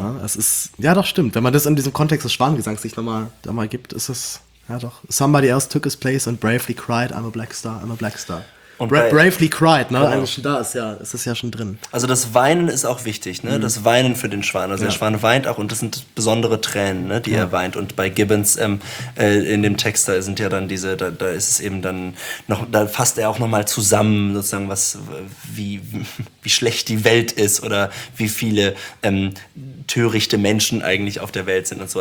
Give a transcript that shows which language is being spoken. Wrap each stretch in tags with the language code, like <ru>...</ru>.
<de>Ja, das ist, ja, doch, stimmt. Wenn man das in diesem Kontext des Schwanengesangs sich nochmal gibt, ist es, ja doch.</de> <en>Somebody else took his place and bravely cried, I'm a black star, I'm a black star.</en> <de>Und</de> <en>bravely cried,</en> <de>ne? Genau. Eigentlich schon da ist, ja, es ist ja schon drin. Also das Weinen ist auch wichtig, ne? Mhm. Das Weinen für den Schwan. Also ja. Der Schwan weint auch und das sind besondere Tränen, ne, die ja. Er weint. Und bei Gibbons in dem Text, da sind ja dann diese, da ist es eben dann noch, da fasst er auch nochmal zusammen, sozusagen, was, wie schlecht die Welt ist oder wie viele törichte Menschen eigentlich auf der Welt sind und so.</de>